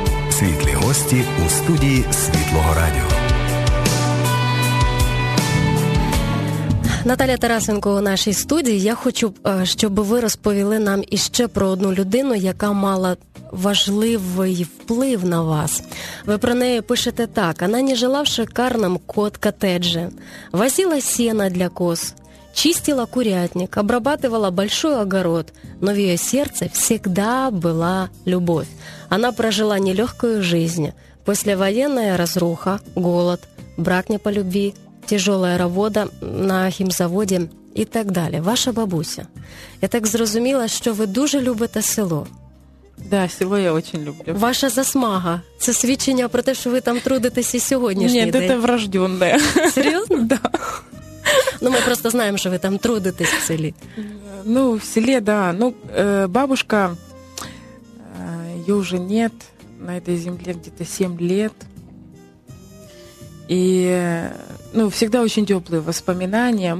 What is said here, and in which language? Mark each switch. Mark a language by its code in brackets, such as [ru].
[uk] Світлі гості у студії Світлого Радіо. Наталя Тарасенко у нашій студії. Я хочу, щоб ви розповіли нам іще про одну людину, яка мала важливий вплив на вас. Ви про неї пишете так. [ru] «Она не жила в шикарном кот-коттедже. Возила сена для коз. Чистила курятник, обрабатывала большой огород, но в ее сердце всегда была любовь. Она прожила нелегкую жизнь. Послевоенная разруха, голод, брак не по любви, тяжелая работа на химзаводе и так далее. [uk] Ваша бабуся. Я так зрозуміла, що ви дуже любите село. [ru] Да, село я очень люблю. [uk] Ваша засмага – це свідчення про те, що ви там трудитесь і сьогоднішній день. Ні, це врожденне. Серйозно? [ru] Да. Ну, мы просто знаем, что вы там трудитесь в селе. Ну, в селе, да. Ну, бабушка, ее уже нет на этой земле где-то 7 лет. И, ну, всегда очень теплые воспоминания.